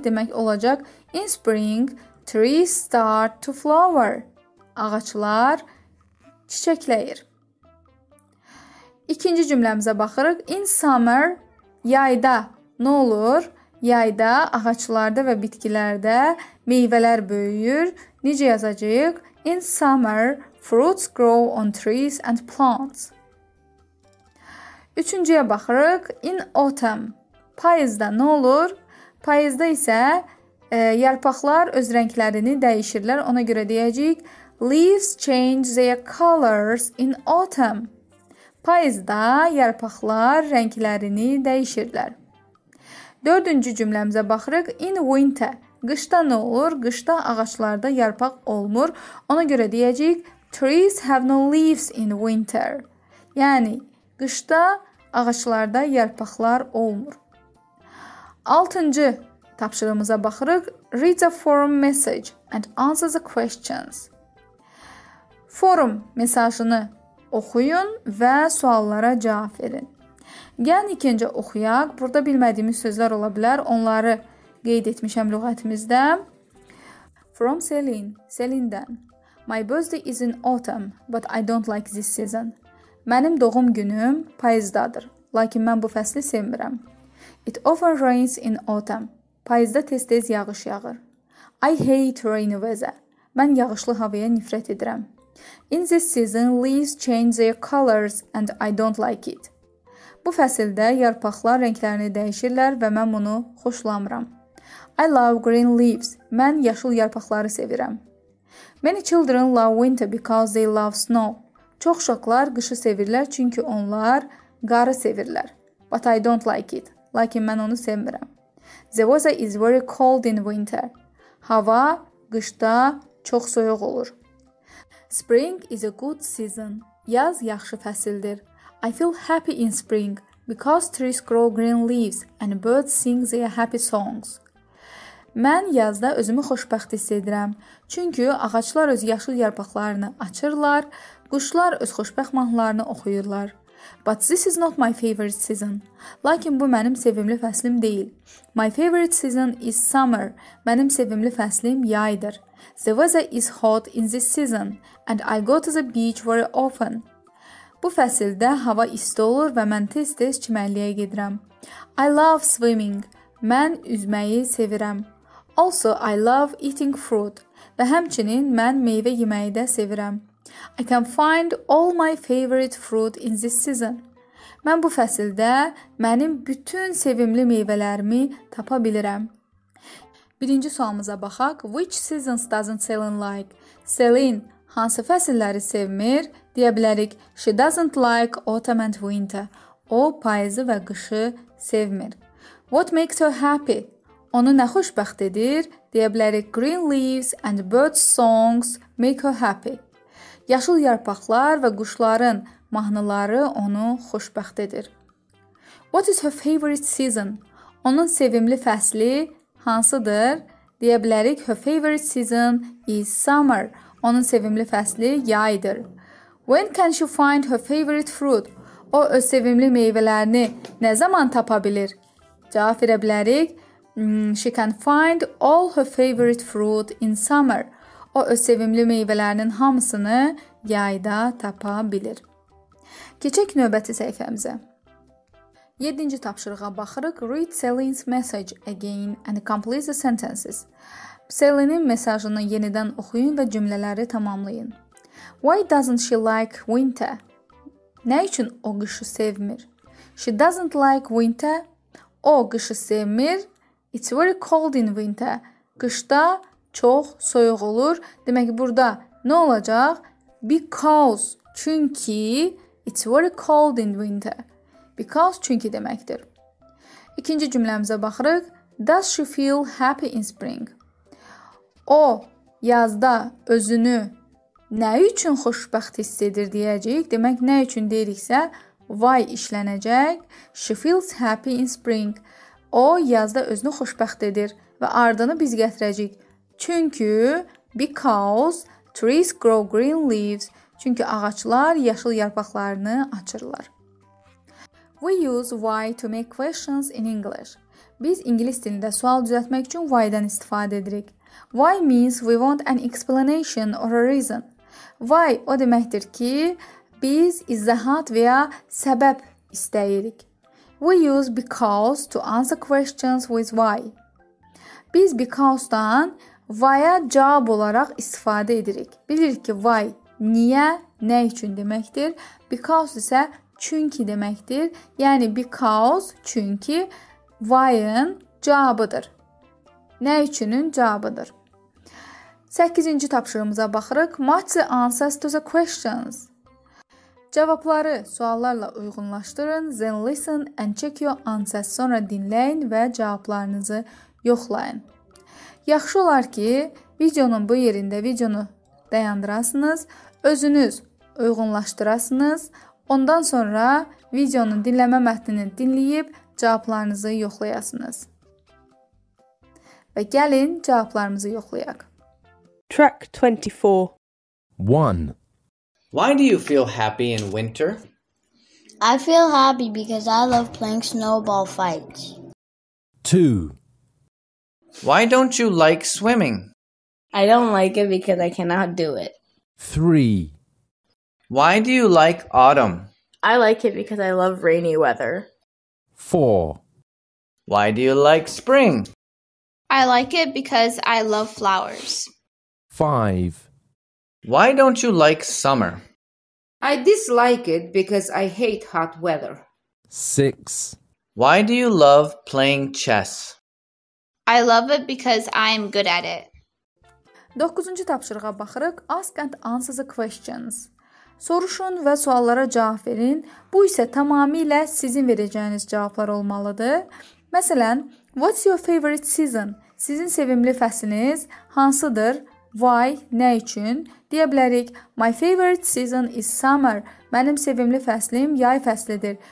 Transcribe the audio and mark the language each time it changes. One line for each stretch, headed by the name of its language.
Azerbaijani: Demək olacaq.
English: In spring, trees start to flower.
Azerbaijani: Ağaçlar çiçəkləyir. İkinci cümləmizə baxırıq.
English: In summer,
Azerbaijani: yayda nə olur? Yayda ağaçlarda və bitkilərdə meyvələr böyüyür. Necə yazacağıq?
English: In summer, fruits grow on trees and plants.
Azerbaijani: Üçüncüyə baxırıq.
English: In autumn,
Azerbaijani: payızda nə olur? Payızda isə yarpaqlar öz rənglərini dəyişirlər. Ona görə deyəcəyik.
English: Leaves change their colors in autumn.
Azerbaijani: Payızda yarpaqlar rənglərini dəyişirlər. Dördüncü cümləmizə baxırıq.
English: In winter,
Azerbaijani: qışda nə olur? Qışda ağaçlarda yarpaq olmur. Ona görə deyəcəyik.
English: Trees have no leaves in winter.
Azerbaijani: Yəni, qışda ağaçlarda yarpaqlar olmur. Altıncı tapşırığımıza baxırıq.
English: Read the forum message and answer the questions.
Azerbaijani: Forum mesajını oxuyun və suallara cavab verin. Gəlin ikinci oxuyaq. Burada bilmədiyimiz sözlər ola bilər. Onları qeyd etmişəm lüğətimizdə.
English: From Celine, Celine'dən. My birthday is in autumn, but I don't like this season.
Azerbaijani: Mənim doğum günüm payızdadır, lakin mən bu fəsli sevmirəm.
English: It often rains in autumn.
Azerbaijani: Payızda tez-tez yağış yağır.
English: I hate rainy weather.
Azerbaijani: Mən yağışlı havaya nifrət edirəm.
English: In this season, leaves change their colors and I don't like it.
Azerbaijani: Bu fəsildə yarpaqlar rənglərini dəyişirlər və mən bunu xoşlamıram.
English: I love green leaves.
Azerbaijani: Mən yaşıl yarpaqları sevirəm.
English: Many children love winter because they love snow.
Azerbaijani: Çox uşaqlar qışı sevirlər, çünki onlar qarı sevirlər.
English: But I don't like it.
Azerbaijani: Lakin mən onu sevmirəm.
English: The weather is very cold in winter.
Azerbaijani: Hava qışda çox soyuq olur.
English: Spring is a good season.
Azerbaijani: Yaz yaxşı fəsildir.
English: I feel happy in spring because trees grow green leaves and birds sing their happy songs.
Azerbaijani: Mən yazda özümü xoşbəxt hiss edirəm. Çünki ağaçlar öz yaşıl yarpaqlarını açırlar, quşlar öz xoşbəxt mahnılarını oxuyurlar.
English: But this is not my favorite season.
Azerbaijani: Lakin bu mənim sevimli fəslim deyil.
English: My favorite season is summer.
Azerbaijani: Mənim sevimli fəslim yaydır.
English: The weather is hot in this season and I go to the beach very often.
Azerbaijani: Bu fəsildə hava isti olur və mən tez-tez çimənliyə gedirəm.
English: I love swimming.
Azerbaijani: Mən üzməyi sevirəm.
English: Also, I love eating fruit.
Azerbaijani: Və həmçinin mən meyvə yeməyi də sevirəm.
English: I can find all my favorite fruit in this season.
Azerbaijani: Mən bu fəsildə mənim bütün sevimli meyvələrimi tapa bilirəm. Birinci sualımıza baxaq.
English: Which seasons doesn't Celine like?
Azerbaijani: Celine hansı fəsilləri sevmir? Deyə bilərik.
English: She doesn't like autumn and winter.
Azerbaijani: O payızı və qışı sevmir.
English: What makes her happy?
Azerbaijani: Onu nə xoşbəxt edir? Deyə bilərik.
English: Green leaves and bird songs make her happy.
Azerbaijani: Yaşıl yarpaqlar və quşların mahnıları onu xoşbəxt edir.
English: What is her favorite season?
Azerbaijani: Onun sevimli fəsli hansıdır? Deyə bilərik,
English: her favorite season is summer.
Azerbaijani: Onun sevimli fəsli yaydır.
English: When can she find her favorite fruit?
Azerbaijani: O öz sevimli meyvələrini nə zaman tapa bilir? Cavab verə bilərik,
English: she can find all her favorite fruit in summer.
Azerbaijani: O öz sevimli meyvələrinin hamısını yayda tapa bilir. Keçək növbəti səhifəmizə. 7-ci tapşırığa baxırıq.
English: Read Celine's message again and complete the sentences.
Azerbaijani: Celine'in mesajını yenidən oxuyun və cümlələri tamamlayın.
English: Why doesn't she like winter?
Azerbaijani: Nə üçün o qışı sevmir?
English: She doesn't like winter.
Azerbaijani: O qışı sevmir.
English: It's very cold in winter.
Azerbaijani: Qışda çox soyuq olur. Demək burada nə olacaq?
English: Because,
Azerbaijani: çünki
English: it's very cold in winter.
Azerbaijani: Because, çünki deməkdir. İkinci cümləmizə baxırıq.
English: Does she feel happy in spring?
Azerbaijani: O yazda özünü nə üçün xoşbəxt hiss edir deyəcəyik. Demək nə üçün deyiriksə, why işlənəcək.
English: She feels happy in spring.
Azerbaijani: O yazda özünü xoşbəxt edir və ardını biz gətirəcəyik. Çünki,
English: because trees grow green leaves.
Azerbaijani: Çünki ağaçlar yaşıl yarpaqlarını açırlar.
English: We use why to make questions in English.
Azerbaijani: Biz ingilis dilində sual düzəltmək üçün why-dan istifadə edirik.
English: Why means we want an explanation or a reason.
Azerbaijani: Why o deməkdir ki, biz izahat və ya səbəb istəyirik.
English: We use because to answer questions with why.
Azerbaijani: Biz because-dan why-a cavab olaraq istifadə edirik. Bilirik ki, why niyə, nə üçün deməkdir? Because isə çünki deməkdir. Yəni, because çünki why-ın cavabıdır. Nə üçünün cavabıdır? 8-ci tapşırımıza baxırıq.
English: Match the answers to the questions.
Azerbaijani: Cavabları suallarla uyğunlaşdırın.
English: Then listen and check your answers.
Azerbaijani: Sonra dinləyin və cavablarınızı yoxlayın. Yaxşı olar ki, videonun bu yerində videonu dayandırasınız, özünüz uyğunlaşdırasınız, ondan sonra videonun dinləmə mətnini dinləyib cavablarınızı yoxlayasınız. Və gəlin cavablarımızı yoxlayaq.
English: Track 24. 1. Why do you feel happy in winter? I feel happy because I love playing snowball fights. 2. Why don't you like swimming? I don't like it because I cannot do it. 3. Why do you like autumn? I like it because I love rainy weather. 4. Why do you like spring? I like it because I love flowers. 5. Why don't you like summer? I dislike it because I hate hot weather. 6. Why do you love playing chess? I love it because I am good at it.
Azerbaijani: 9-cu tapşırığa baxırıq.
English: Ask and answer the questions.
Azerbaijani: Soruşun və suallara cavab verin. Bu isə tamamilə sizin verəcəyiniz cavablar olmalıdır. Məsələn,
English: what's your favorite season?
Azerbaijani: Sizin sevimli fəsliniz hansıdır?
English: Why?
Azerbaijani: Nə üçün? Deyə bilərik,
English: my favorite season is summer.
Azerbaijani: Mənim sevimli fəslim yay fəslidir.